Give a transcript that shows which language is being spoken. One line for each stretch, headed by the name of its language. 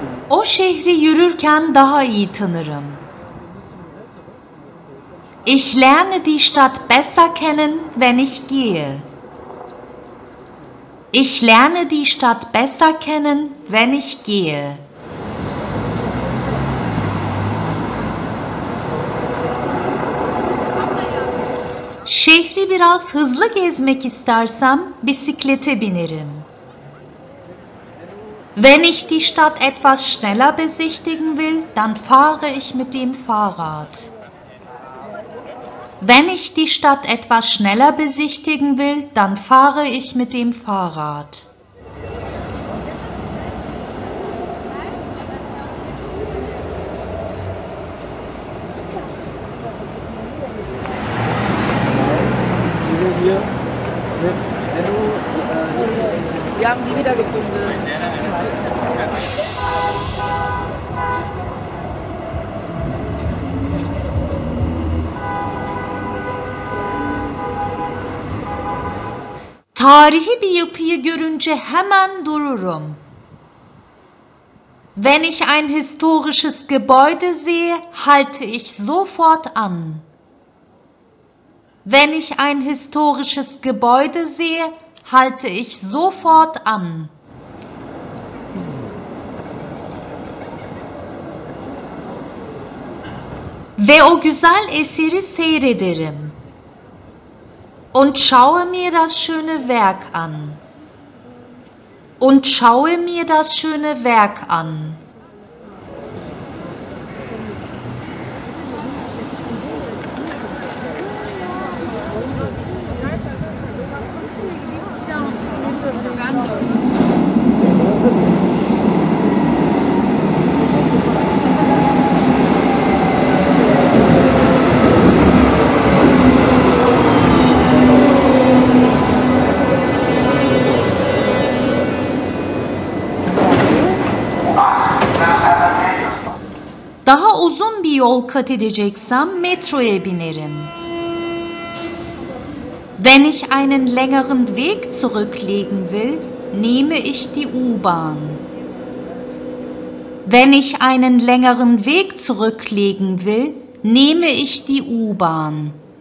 Turkish: O şehri yürürken daha iyi tanırım.
German: Ich lerne die Stadt besser kennen, wenn ich gehe. Ich lerne die Stadt besser kennen, wenn ich gehe.
Turkish: Şehri biraz hızlı gezmek istersem bisiklete binerim.
German: Wenn ich die Stadt etwas schneller besichtigen will, dann fahre ich mit dem Fahrrad. Wenn ich die Stadt etwas schneller besichtigen will, dann fahre ich mit dem Fahrrad. Wir haben die wiedergefunden.
Turkish: Tarihi bir yapıyı görünce hemen dururum.
German: Wenn ich ein historisches Gebäude sehe, halte ich sofort an. Wenn ich ein historisches Gebäude sehe, halte ich sofort an.
Turkish: Ve o güzel eseri seyrederim.
German: Und schaue mir das schöne Werk an. Und schaue mir das schöne Werk an.
Turkish: Daha uzun bir yol kat edeceksem metroya binerim.
German: Wenn ich einen längeren Weg zurücklegen will, nehme ich die U-Bahn. Wenn ich einen längeren Weg zurücklegen will, nehme ich die U-Bahn.